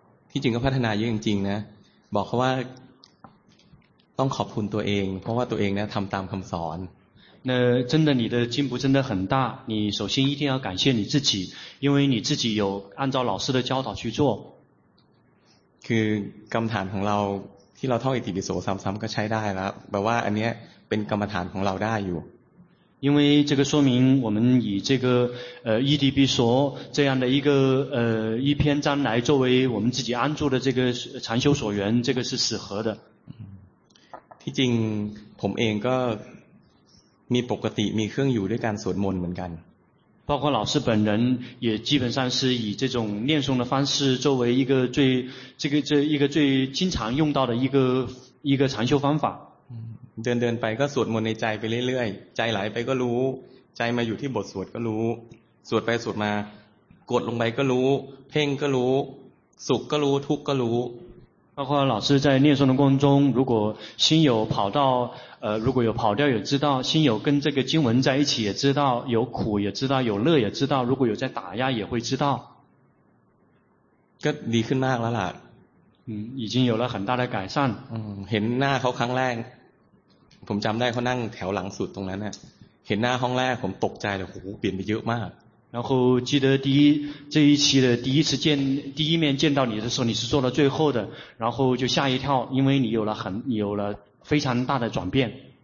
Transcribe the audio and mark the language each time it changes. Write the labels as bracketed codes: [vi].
[th] ที่จริงก็พัฒนาเยอะจริงๆนะบอกเขาว่าต้องขอบคุณตัวเองเพราะว่าตัวเองเนี่ยทำตามคำสอน [zh] 那真的你的进步真的很大你首先一定要感谢你自己因为你自己有按照老师的教导去做 [th] คือกรรมฐานของเราที่เราท่องอิติปิโสซ้ำๆก็ใช้ได้แล้วแปลว่าอันนี้เป็นกรรมฐานของเราได้อยู่ [zh] 因为这个说明我们以这个อิติปิโส这样的一个一篇章来作为我们自己安住的这个禅修所缘这个是适合的 [th] ที่จริงผมเองก็มีปกติมีเครื่องอยู่ด้วยการสวดมนต์เหมือนกัน [zh] 包括老师本人也基本上是以这种念诵的方式作为一个最这个这一个最经常用到的一个禅修方法 [th] เดินๆไปก็สวดมนต์ในใจไปเรื่อยๆใจไหลไปก็รู้ใจมาอยู่ที่บทสวดก็รู้สวดไปสวดมากดลงไปก็รู้เพ่งก็รู้สุขก็รู้ทุกข์ก็รู้ [zh] 包括老师在念诵的过程中，如果心有跑到，如果有跑掉，也知道心有跟这个经文在一起，也知道有苦，也知道有乐，也知道如果有在打压，也会知道。 [th] ก็ดีขึ้นมากแล้วล่ะ。 [zh] 嗯，已经有了很大的改善。 [th] 嗯，เห็นหน้าเขาครั้งแรกผมจำได้เขานั่งแถวหลังสุดตรงนั้นเนี่ยเห็นหน้าห้องแรกผมตกใจเลยโอ้โหเปลี่ยนไปเยอะมาก。 [zh] 然后记得第一面见到你的时候，你是坐到最后的，然后就吓一跳，因为你有了非常大的转变。